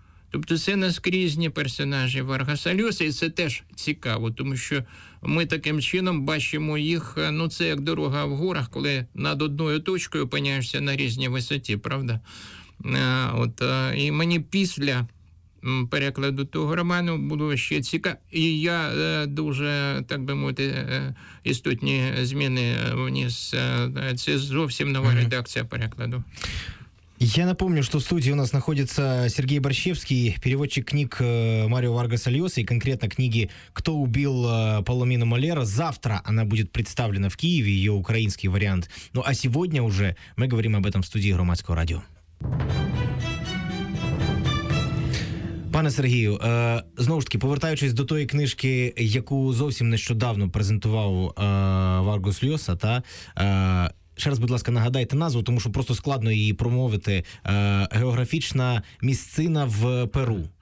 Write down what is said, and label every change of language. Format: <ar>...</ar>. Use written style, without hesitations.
<uk>Тобто це наскрізні персонажі Варгаса Льоси, і це теж цікаво, тому що ми таким чином бачимо їх, ну це як дорога в горах, коли над одною точкою опиняєшся на різній висоті, правда? От, і мені після перекладу того роману було ще цікаво. І я дуже, так би мовити, істотні зміни вніс. Це зовсім нова редакція перекладу.</uk> <ru>Я напомню, что в студии у нас находится Сергей Борщевский, переводчик книг Марио Варгаса Льоса и конкретно книги «Кто убил Паломину Малера». Завтра она будет представлена в Киеве, ее украинский вариант. Ну а сегодня уже мы говорим об этом в студии Громадського радио.</ru> <uk>Пане Сергію, знову ж таки, повертаючись до тої книжки, яку зовсім нещодавно презентував Варгас Льоса, та... Ще раз, будь ласка, нагадайте назву, тому що просто складно її промовити. Географічна місцина в Перу.</uk>